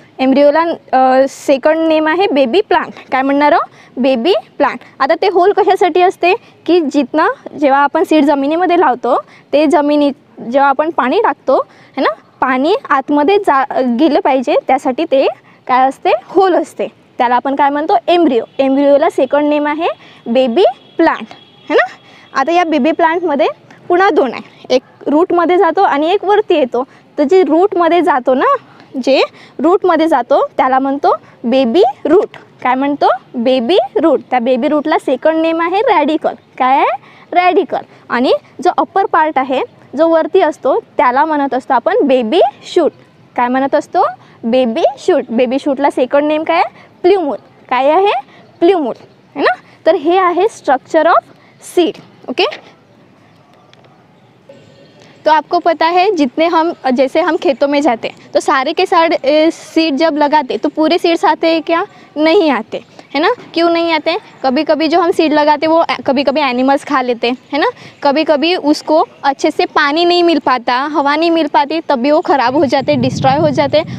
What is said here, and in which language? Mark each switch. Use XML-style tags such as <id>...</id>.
<mr>एम्ब्रियोला second name आहे baby plant. काय म्हणणार आहोत, बेबी प्लांट। आता ते होल कशासाठी असते, की जिथनं जेव्हा आपण सीड जमिनीमध्ये लावतो ते जमिनीत जेव्हा आपण पाणी टाकतो, है ना, पाणी आतमध्ये जा गेलं पाहिजे त्यासाठी ते काय असते, होल असते, त्याला आपण काय म्हणतो, एम्ब्रियो। एम्ब्रियोला सेकंड नेम आहे बेबी प्लांट, है ना। आता या बेबी प्लांटमध्ये पुन्हा दोन आहे, एक रूटमध्ये जातो आणि एक वरती येतो। तर जे रूटमध्ये जातो ना, जे रूटमध्ये जातो त्याला म्हणतो बेबी रूट। काय म्हणतो, बेबी रूट। त्या बेबी रूटला सेकंड नेम आहे रॅडिकल। काय आहे, रॅडिकल। आणि जो अप्पर पार्ट आहे जो वरती असतो त्याला म्हणत असतो आपण बेबी शूट। काय म्हणत असतो, baby shoot. Baby शूटला second name काय आहे, प्ल्यूमूल। काय आहे, प्ल्यूमूल, है ना। तर हे आहे स्ट्रक्चर ऑफ सीड, ओके।</mr> <hi>तो आपको पता है जितने हम जैसे हम खेतों में जाते हैं तो सारे के सारे सीड जब लगाते तो पूरे सीड्स आते हैं क्या, नहीं आते, है ना। क्यों नहीं आते, कभी कभी जो हम सीड लगाते वो कभी कभी एनिमल्स खा लेते हैं, है ना। कभी कभी उसको अच्छे से पानी नहीं मिल पाता, हवा नहीं मिल पाती, तब भी वो ख़राब हो जाते, डिस्ट्रॉय हो जाते।</hi>